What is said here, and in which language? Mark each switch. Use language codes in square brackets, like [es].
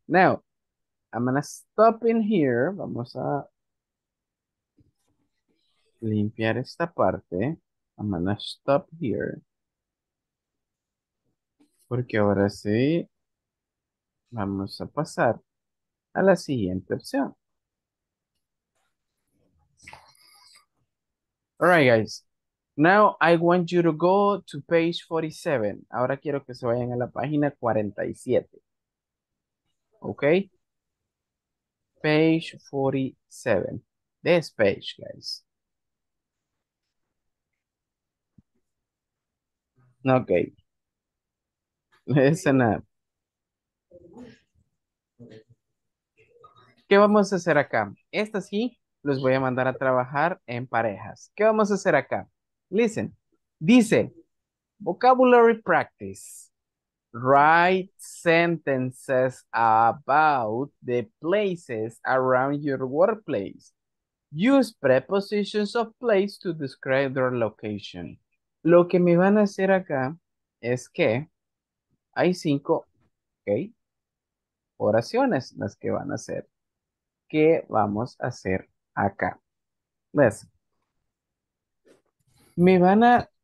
[en] Now, I'm gonna stop in here. [es] Vamos a limpiar esta parte. [en] I'm gonna stop here. [es] Porque ahora sí, vamos a pasar a la siguiente opción. [en] All right, guys. Now I want you to go to page 47. [es] Ahora quiero que se vayan a la página 47. [en] Okay? Page 47. This page, guys. Okay. Listen up. [es] ¿Qué vamos a hacer acá? Estas sí, los voy a mandar a trabajar en parejas. ¿Qué vamos a hacer acá? Listen, dice, [en] vocabulary practice. Write sentences about the places around your workplace. Use prepositions of place to describe their location. [es] Lo que me van a hacer acá es que hay cinco, okay, oraciones las que van a hacer. ¿Qué vamos a hacer acá? Listen. Me van a